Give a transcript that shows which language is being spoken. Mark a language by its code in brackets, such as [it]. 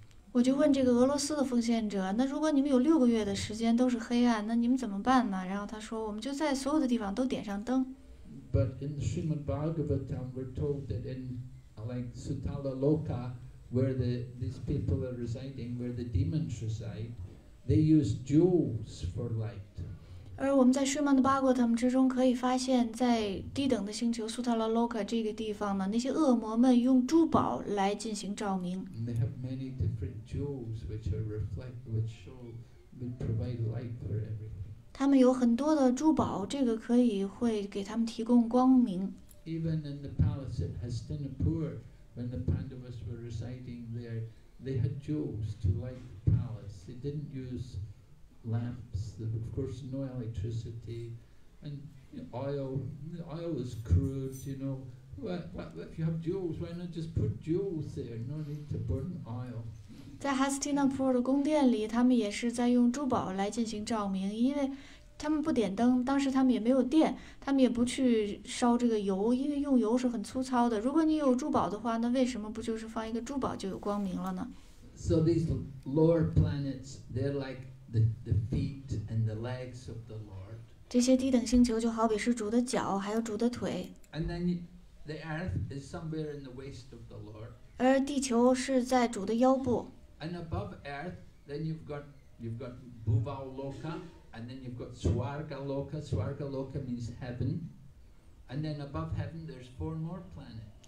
[zh] 我就问这个俄罗斯的奉献者，那如果你们有六个月的时间都是黑暗，那你们怎么办呢？然后他说，我们就在所有的地方都点上灯。 [en] But in Srimad Bhagavatam, we're told that in like Sutala Loka, where these people are residing, where the demons reside, they use jewels for light. [zh] 而我们在睡梦的巴国他们之中可以发现，在低等的星球苏塔拉洛卡这个地方呢，那些恶魔们用珠宝来进行照明。 [en] They have many different jewels which are reflect, which show, which provide light for everything. [zh] 他们有很多的珠宝，这个可以会给他们提供光明。 [en] Even in the palace at Hastinapur, when the Pandavas were residing there, they had jewels to light the palace. They didn't use. Lamps, of course, no electricity, and oil. Oil is crude, you know. Well, if you have jewels, why not just put jewels there? No need to burn oil. [zh] 在 Hastinapur 的宫殿里，他们也是在用珠宝来进行照明，因为他们不点灯，当时他们也没有电，他们也不去烧这个油，因为用油是很粗糙的。如果你有珠宝的话，那为什么不就是放一个珠宝就有光明了呢？ [en] So these lower planets, they're like. The feet and the legs of the Lord. [zh] 这些低等星球就好比是主的脚，还有主的腿。 [en] And then the earth is somewhere in the waist of the Lord. [zh] 而地球是在主的腰部。 [en] And above earth, then you've got Bhuval Loka, and then you've got Swarga Loka. Swarga Loka means heaven. And then above heaven, there's four more planets.